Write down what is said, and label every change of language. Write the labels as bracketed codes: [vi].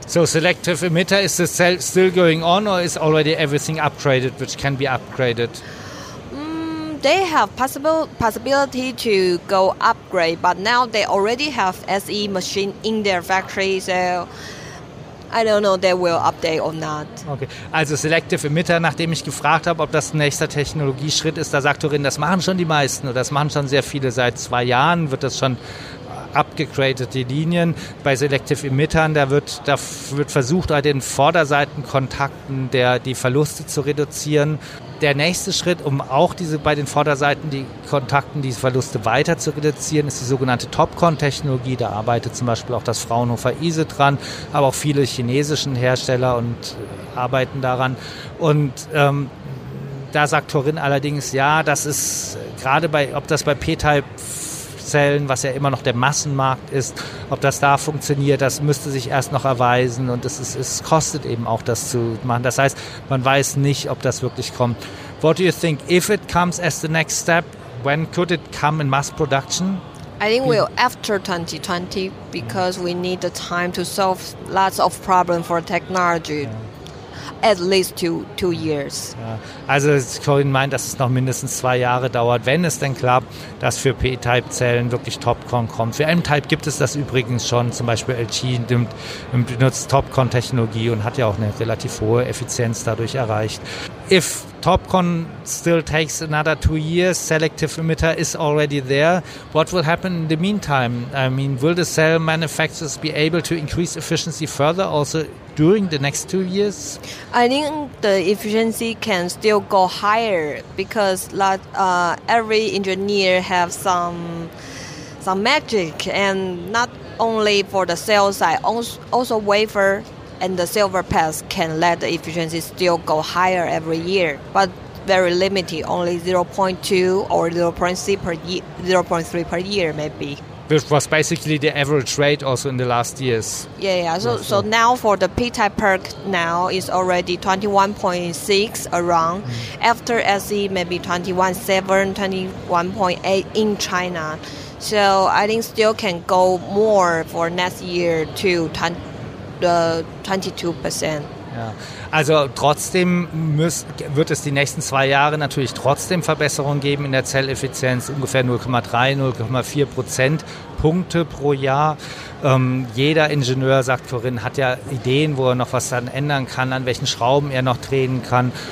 [en] So selective emitter, is the cell still going on or is already everything upgraded which can be upgraded? They have possibility to go upgrade, but now they already have SE machine in their factory, so I don't know if they will update or not. [de] Okay, also selective emitter, nachdem ich gefragt habe, ob das ein nächster Technologieschritt ist, da sagt Turin, das machen schon die meisten oder das machen schon sehr viele. Seit 2 Jahren wird das schon abgegradet, die Linien. Bei selective emittern, da wird versucht, bei den Vorderseitenkontakten die Verluste zu reduzieren. Der nächste Schritt, um auch diese bei den Vorderseiten die Kontakten, die Verluste weiter zu reduzieren, ist die sogenannte Topcon-Technologie. Da arbeitet zum Beispiel auch das Fraunhofer ISE dran, aber auch viele chinesische Hersteller und arbeiten daran. Und da sagt Turin allerdings, ja, das ist gerade bei, ob das bei P-Type-Zellen, was ja immer noch der Massenmarkt ist, ob das da funktioniert, das müsste sich erst noch erweisen und es kostet eben auch, das zu machen. Das heißt, man weiß nicht, ob das wirklich kommt. [en] What do you think, if it comes as the next step, when could it come in mass production? I think we'll after 2020, because we need the time to solve lots of problems for technology. Yeah. At least two years. [de] Ja. Also Corinne meint, dass es noch mindestens 2 Jahre dauert, wenn es denn klappt, dass für P-Type-Zellen wirklich Topcon kommt. Für M-Type gibt es das übrigens schon, zum Beispiel LG benutzt Topcon-Technologie und hat ja auch eine relativ hohe Effizienz dadurch erreicht. [en] If Topcon still takes another 2 years, selective emitter is already there, what will happen in the meantime? I mean, will the cell manufacturers be able to increase efficiency further also during the next 2 years? I think the efficiency can still go higher because every engineer have some magic, and not only for the cell side, also wafer and the silver pass can let the efficiency still go higher every year, but very limited, only 0.2 or 0.3 per year, 0.3 per year maybe. Which was basically the average rate also in the last years. Yeah. So now for the P-type perk now is already 21.6 around. After SE, maybe 21.7, 21.8 in China. So I think still can go more for next year to 22%. [de] Also trotzdem wird es die nächsten 2 Jahre natürlich trotzdem Verbesserungen geben in der Zelleffizienz, ungefähr 0,3, 0,4 Prozentpunkte pro Jahr. Jeder Ingenieur, sagt Corinne, hat ja Ideen, wo er noch was dann ändern kann, an welchen Schrauben er noch drehen kann.